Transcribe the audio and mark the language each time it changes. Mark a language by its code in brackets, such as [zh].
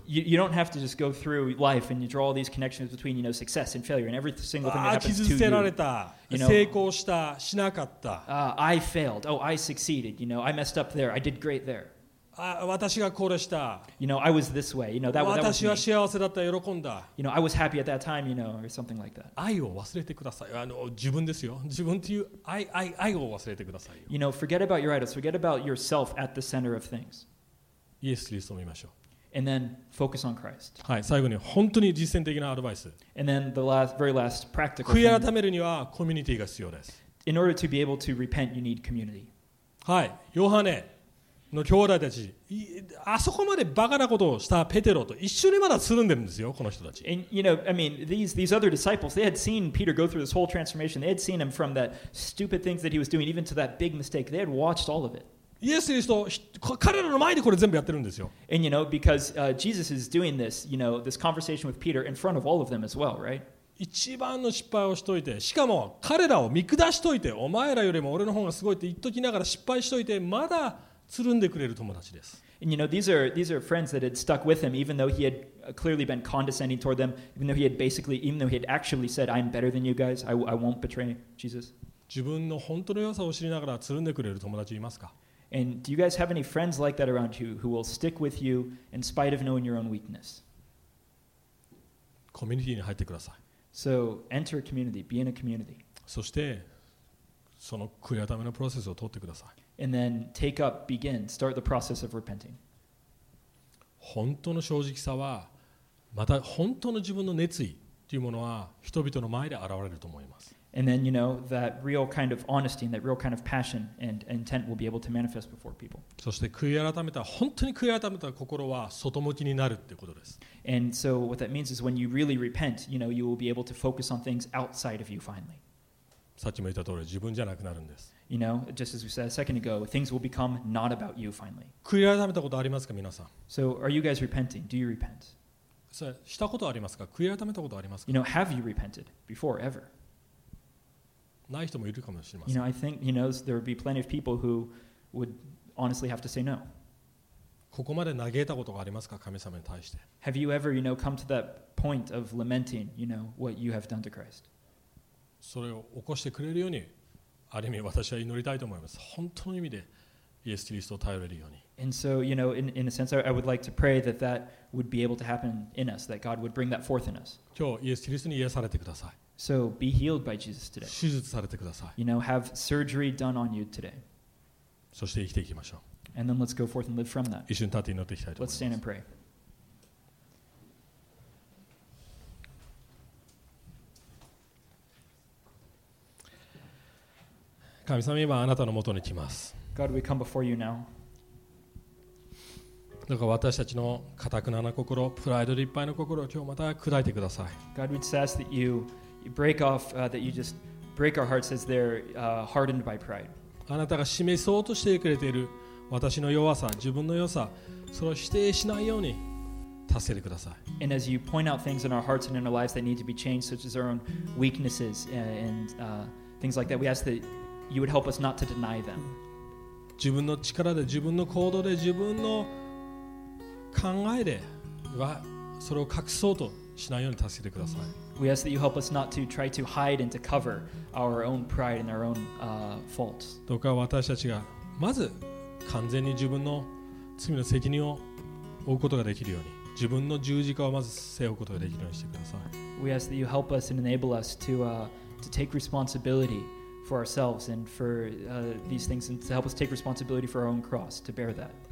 [en] You don't have to just go through life and you draw all these connections between, you know, success and failure and every single thing that happens to you. [ja] 傷つけられた。 [en] You know, [ja] 成功した。しなかった。 [en] I failed. Oh, I succeeded. You know, I messed up there. I did great there. [ja] 私がこれした。 [en] You know, I was this way. You know, that was me. [ja] 私は幸せだった、喜んだ。 [en] You know, I was happy at that time, you know, or something like that. [ja] 愛を忘れてください。自分ですよ。自分という愛を忘れてください。 [en] You know, forget about your idols. Forget about yourself at the center of things. [ja] イエス・キリストを見ましょう。 [en] And then focus on Christ. [ja] はい、最後に本当に実践的なアドバイス。 [en] And then the last, very last practical thing. [ja] 悔い改めるにはコミュニティが必要です。 [en] In order to be able to repent, you need community. [ja] はい、ヨハネ。の兄弟たち、あそこまでバカなことをしたペテロと一緒にまだつるんでるんですよ、この人たち。 [en] And you know, I mean, these other disciples, they had seen Peter go through this whole transformation. They had seen him from that stupid things that he was doing, even to that big mistake. They had watched all of it. [ja] イエス・キリスト、彼らの前でこれ全部やってるんですよ。 [en] And you know, because Jesus is doing this, you know, this conversation with Peter in front of all of them as well, right? [ja] 一番の失敗をしといて、しかも彼らを見下しといて、お前らよりも俺の方がすごいって言っときながら失敗しといて、まだ。つるんでくれる友達です。 [en] And you know, these are friends that had stuck with him, even though he had clearly been condescending toward them, even though he had actually said, I'm better than you guys, I won't betray Jesus. [ja] 自分の本当の良さを知りながらつるんでくれる友達いますか? [en] And do you guys have any friends like that around you who will stick with you in spite of knowing your own weakness? [ja] コミュニティに入ってください。 [en] So enter a community, be in a community. [ja] そして、その悔い改めのプロセスを通ってください。 [en] And then take up, begin, start the process of repenting. [ja] 本当の正直さは、また本当の自分の熱意というものは人々の前で現れると思います。 [en] And then, you know, that real kind of honesty and that real kind of passion and intent will be able to manifest before people. [ja] そして悔い改めた、本当に悔い改めた心は外向きになるってことです。 [en] And so what that means is when you really repent, you know, you will be able to focus on things outside of you finally. [ja] さっきも言った通り、自分じゃなくなるんです。 [en] You know, just as we said a second ago, things will become not about you finally. [ja] 悔い改めたことありますか、皆さん。 [en] So are you guys repenting? Do you repent? [ja] したことありますか、悔い改めたことありますか。 [en] You know, have you repented before ever? [ja] ない人もいるかもしれません。 [en] You know, I think he knows there would be plenty of people who would honestly have to say no. [ja] ここまで嘆いたことがありますか、神様に対して。 [en] Have you ever, you know, come to that point of lamenting, you know, what you have done to Christ? [ja] それを起こしてくれるように、ある意味私は祈りたいと思います。本当の意味でイエス・キリストを頼れるように。 [en] And so, you know, in a sense, I would like to pray that that would be able to happen in us, that God would bring that forth in us. [ja] 今日イエス・キリストに癒されてください。 [en] So be healed by Jesus today. [ja] 手術されてください。 [en] You know, have surgery done on you today. [ja] そして生きていきましょう。 [en] And then let's go forth and live from that. [ja] 一緒に立って祈っていきたいと思います。 [en] Let's stand and pray. [ja] 神様、今あなたの元に来ます。 [en] God, we come before you now. [ja] だから私たちの固くなな心、プライドでいっぱいの心を今日また砕いてください。 [en] God, we just ask that you break off, that you just break our hearts as they're hardened by pride. [ja] あなたが示そうとしてくれている私の弱さ、自分の弱さ、それを否定しないように助けてください。 [en] And as you point out things in our hearts and in our lives that need to be changed, such as our own weaknesses and things like that, we ask that you would help us not to deny them. [ja] 自分の力で、自分の行動で、自分の考えでは、それを隠そうとしないように助けてください。 [en] We ask that you help us not to try to hide and to cover our own pride and our own faults. [ja] どうか私たちがまず完全に自分の罪の責任を負うことができるように、自分の十字架をまず背負うことができるようにしてください。 [en] We ask that you help us and enable us to take responsibility for ourselves and for these things and to help us take responsibility for our own cross, to bear that.